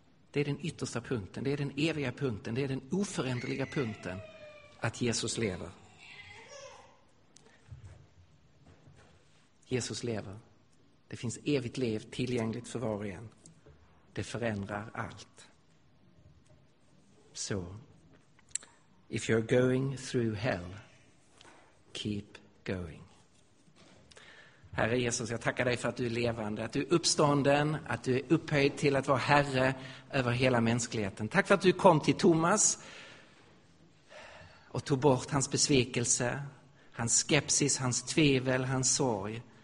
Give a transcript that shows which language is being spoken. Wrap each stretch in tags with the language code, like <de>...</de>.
<sv>Det är den yttersta punkten. Det är den eviga punkten. Det är den oföränderliga punkten att Jesus lever. Jesus lever. Det finns evigt liv tillgängligt för var och en. Det förändrar allt.</sv> <en>Så, if you're going through hell, keep going.</en> <sv>Herre Jesus, jag tackar dig för att du är levande, att du är uppstånden, att du är upphöjd till att vara Herre över hela mänskligheten. Tack för att du kom till Thomas och tog bort hans besvikelse, hans skepsis, hans tvivel, hans sorg.</sv>